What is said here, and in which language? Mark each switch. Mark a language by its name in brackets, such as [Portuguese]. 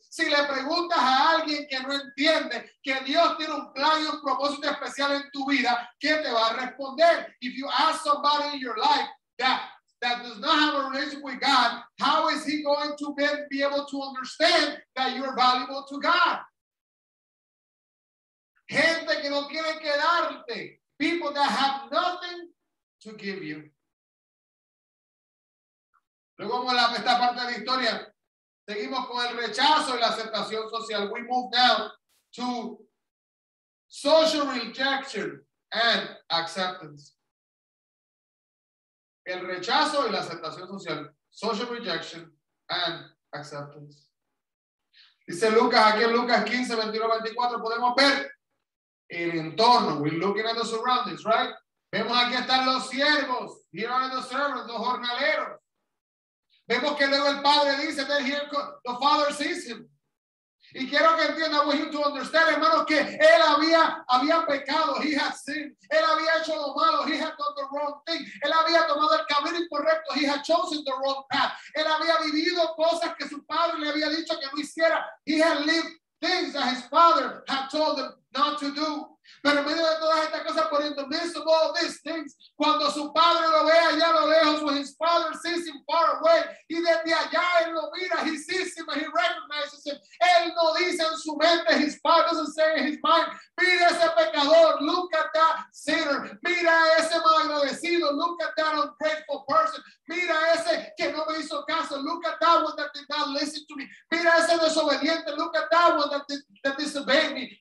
[Spanish] Si le preguntas a alguien que no entiende que Dios tiene un plan y un propósito especial en tu vida, ¿qué te va a responder? [English] If you ask somebody in your life that does not have a relationship with God, how is he going to be able to understand that you're valuable to God? [Spanish] Gente que no quiere quedarte. [English] People that have nothing to give you. [Spanish] Luego vamos a esta parte de la historia. Seguimos con el rechazo y la aceptación social. [English] We move now to social rejection and acceptance. [Spanish] El rechazo y la aceptación social. [English] Social rejection and acceptance. [Spanish] Dice Lucas, aquí en Lucas 15, 21, 24, podemos ver el entorno. [English] We're looking at the surroundings, right? [Spanish] Vemos aquí están los siervos. [English] Here are the servants, [Spanish] los jornaleros. Vemos que luego el padre dice, [English] then here the father sees him. [Spanish] Y quiero que entiendan, [English] I want you to understand, [Spanish] hermanos, que él había pecado, [English] he had sinned. [Spanish] Él había hecho lo malo, [English] he had done the wrong thing. [Spanish] Él había tomado el camino incorrecto, [English] he had chosen the wrong path. [Spanish] Él había vivido cosas que su padre le había dicho que no hiciera. [English] He had lived things that his father had told him not to do. [Spanish] Pero en medio de todas estas cosas, por [English] in the midst of all these things, [Spanish] cuando su padre lo ve allá a lo lejos, [English] when his father sees him far away, [Spanish] y desde allá él lo mira, [English] he sees him and he recognizes him. [Spanish] Él no dice en su mente, [English] his father doesn't say in his mind, [Spanish] mira ese pecador, [English] look at that sinner, [Spanish] mira ese malagradecido, [English] look at that ungrateful person, [Spanish] mira ese que no me hizo caso, [English] look at that one that did not listen to me, [Spanish] mira ese desobediente, [English] look at that one that disobeyed me.